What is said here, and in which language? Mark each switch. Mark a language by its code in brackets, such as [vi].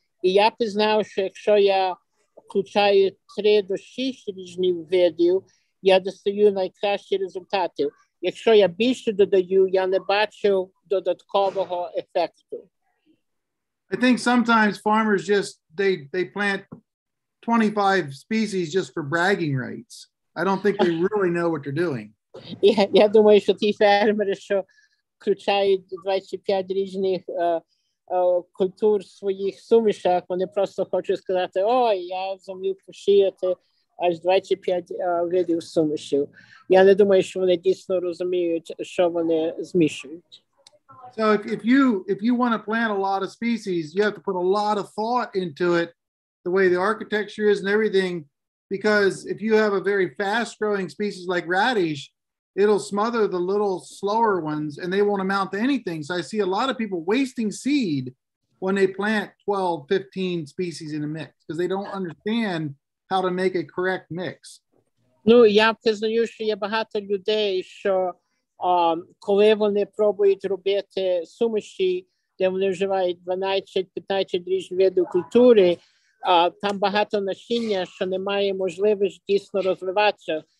[uk] І я пізнав, що якщо я включаю 3 до 6 різних видів, я достаю найкращі результати. Якщо я більше додаю, я не бачу додаткового ефекту. [en] I think sometimes farmers just, they plant 25 species just for bragging rights. I don't think they really know what they're doing. [uk] Я думаю, що ті фермери, що включають 25 різних культур своїх сумішах, вони просто хочуть сказати, ой, я зумів посіяти аж 25 видів сумішів. Я не думаю, що вони дійсно розуміють, що вони змішують. [en] So if you want to plant a lot of species, you have to put a lot of thought into it, the way the architecture is and everything, because if you have a very fast growing species like radish, it'll smother the little slower ones and they won't amount to anything. So I see a lot of people wasting seed when they plant 12, 15 species in a mix because they don't understand how to make a correct mix. [uk] Ну, я признаю, що є багато людей, що коли вони пробують робити суміші, де вони вживають 12-15 різних видів культури, там багато насіння, що немає можливості дійсно розвиватися.